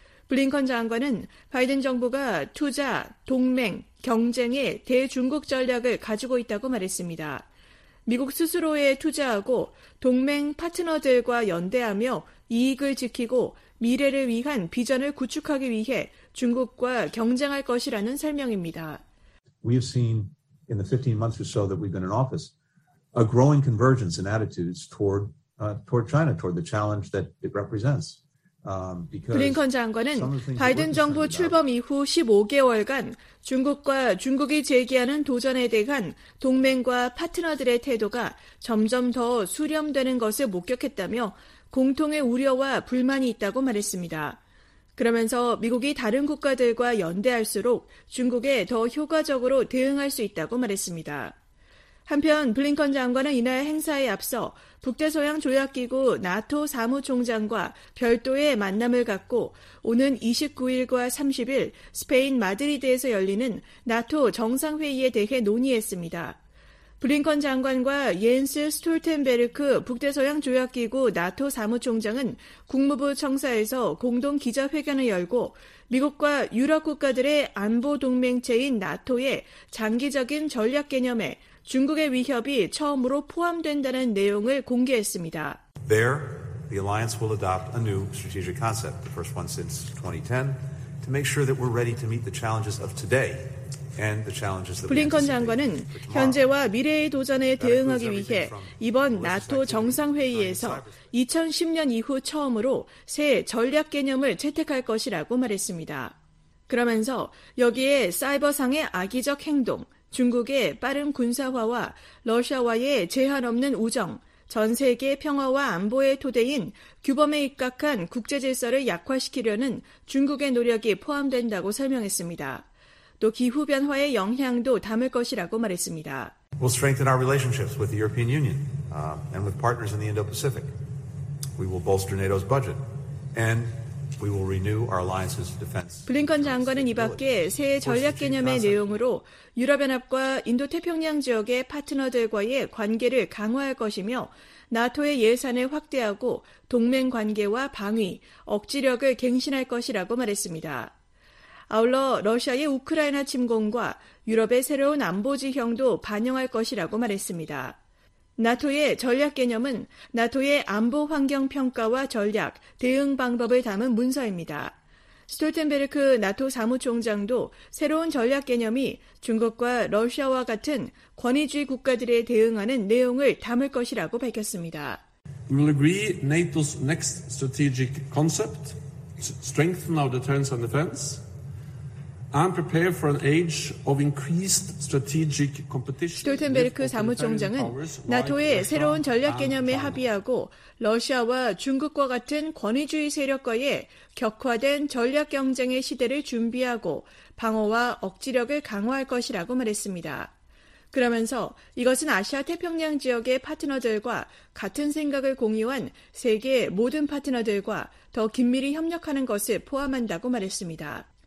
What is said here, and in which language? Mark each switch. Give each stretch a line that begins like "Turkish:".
Korean: 블링컨 장관은 바이든 정부가 투자, 동맹, 경쟁의 대중국 전략을 가지고 있다고 말했습니다. 미국 스스로에 투자하고 동맹 파트너들과 연대하며 이익을 지키고 미래를 위한 비전을 구축하기 위해 중국과 경쟁할 것이라는 설명입니다.
English: We've seen in the 15 months or so that we've been in office a growing convergence in attitudes toward China, toward the challenge that it represents.
Korean: 블링컨 장관은 바이든 정부 출범 이후 15개월간 중국과 중국이 제기하는 도전에 대한 동맹과 파트너들의 태도가 점점 더 수렴되는 것을 목격했다며 공통의 우려와 불만이 있다고 말했습니다. 그러면서 미국이 다른 국가들과 연대할수록 중국에 더 효과적으로 대응할 수 있다고 말했습니다. 한편 블링컨 장관은 이날 행사에 앞서 북대서양 조약기구 나토 사무총장과 별도의 만남을 갖고 오는 29일과 30일 스페인 마드리드에서 열리는 나토 정상회의에 대해 논의했습니다. 블링컨 장관과 옌스 스톨텐베르크 북대서양 조약기구 나토 사무총장은 국무부 청사에서 공동 기자회견을 열고 미국과 유럽 국가들의 안보 동맹체인 나토의 장기적인 전략 개념에 중국의 위협이 처음으로 포함된다는 내용을 공개했습니다.
English: There, the alliance will adopt a new strategic concept, the first one since 2010, to make sure that we're ready to meet the challenges of today.
Korean: 블링컨 장관은 현재와 미래의 도전에 대응하기 위해 이번 나토 정상회의에서 2010년 이후 처음으로 새 전략 개념을 채택할 것이라고 말했습니다. 그러면서 여기에 사이버상의 악의적 행동, 중국의 빠른 군사화와 러시아와의 제한 없는 우정, 전 세계 평화와 안보의 토대인 규범에 입각한 국제질서를 약화시키려는 중국의 노력이 포함된다고 설명했습니다. 또 기후 변화의 영향도 담을 것이라고 말했습니다.
English: We'll strengthen our relationships with the European Union and with partners in the Indo-Pacific. We will bolster NATO's budget and we will renew our alliance's defense.
Korean: 블링컨 장관은 이밖에 새 전략 개념의 내용으로 유럽연합과 인도태평양 지역의 파트너들과의 관계를 강화할 것이며 나토의 예산을 확대하고 동맹 관계와 방위, 억지력을 갱신할 것이라고 말했습니다. 아울러 러시아의 우크라이나 침공과 유럽의 새로운 안보 지형도 반영할 것이라고 말했습니다. 나토의 전략 개념은 나토의 안보 환경 평가와 전략, 대응 방법을 담은 문서입니다. 스톨텐베르크 나토 사무총장도 새로운 전략 개념이 중국과 러시아와 같은 권위주의 국가들에 대응하는 내용을 담을 것이라고 밝혔습니다.
English: We will agree NATO's next strategic concept, strengthen our deterrence and defense. I'm prepared for an age of increased strategic competition.
Korean: 스톨텐베르크 사무총장은 나토의 새로운 전략 개념에 합의하고 러시아와 중국과 같은 권위주의 세력과의 격화된 전략 경쟁의 시대를 준비하고 방어와 억지력을 강화할 것이라고 말했습니다. 그러면서 이것은 아시아 태평양 지역의 파트너들과 같은 생각을 공유한 세계 모든 파트너들과 더 긴밀히 협력하는 것을 포함한다고 말했습니다.